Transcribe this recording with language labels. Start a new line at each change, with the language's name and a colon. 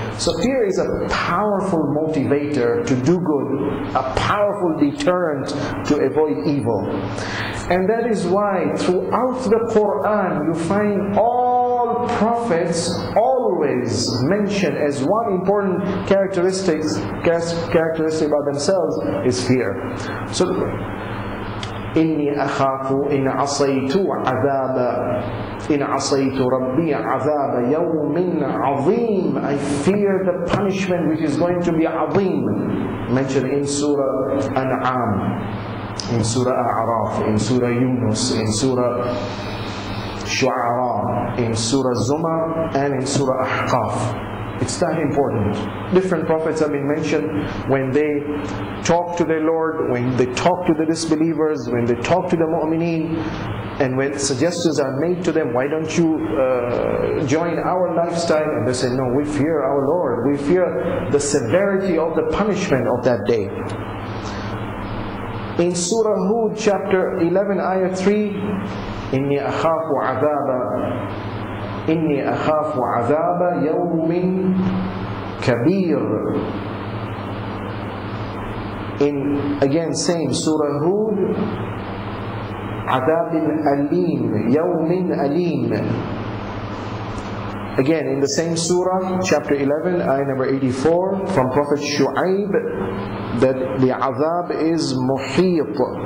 English: So fear is a powerful motivator to do good, a powerful deterrent to avoid evil. And that is why throughout the Quran you find all prophets always mention as one important characteristic about themselves is fear.
Arabic: So إني أخاف إن عصيت عذاب إن عصيت ربي عذاب يوم عظيم.
English: I fear the punishment which is going to be عظيم. Mentioned in Surah An'am, in Surah A'raf, in Surah Yunus, in Surah Shu'ara, in Surah Zumar, and in Surah Ahqaf. It's that important. Different prophets have been mentioned when they talk to their Lord, when they talk to the disbelievers, when they talk to the mu'mineen, and when suggestions are made to them, why don't you join our lifestyle? And they say, no, we fear our Lord. We fear the severity of the punishment of that day. In Surah Hud, chapter 11, ayah 3,
Arabic: إِنِّي أَخَافُ عَذَابَ إني أخاف عذاب يوم كبير.
English: In again same Surah Hud,
Arabic: عذاب أليم يوم أليم.
English: Again in the same Surah, chapter 11, ayah number 84, from Prophet Shu'aib, that the عذاب is محيط.